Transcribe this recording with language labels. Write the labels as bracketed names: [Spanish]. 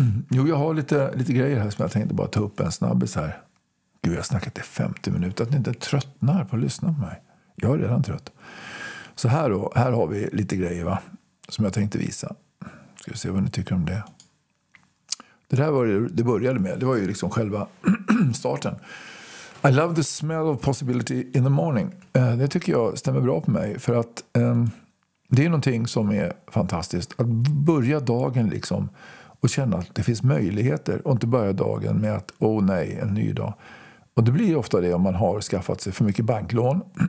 [Swedish] Jo, jag har lite grejer här som jag tänkte bara ta upp en snabbis här. Gud, jag har snackat i 50 minuter. Att ni inte tröttnar på att lyssna på mig. Jag är redan trött. Så här då, här har vi lite grejer, va? Som jag tänkte visa. Ska vi se vad ni tycker om det. Det där var det började med. Det var ju liksom själva starten. [English] I love the smell of possibility in the morning. [Swedish] Det tycker jag stämmer bra på mig. För att det är någonting som är fantastiskt. Att börja dagen liksom och känna att det finns möjligheter. Och inte börja dagen med att, oh nej, en ny dag. Och det blir ofta det om man har skaffat sig för mycket banklån.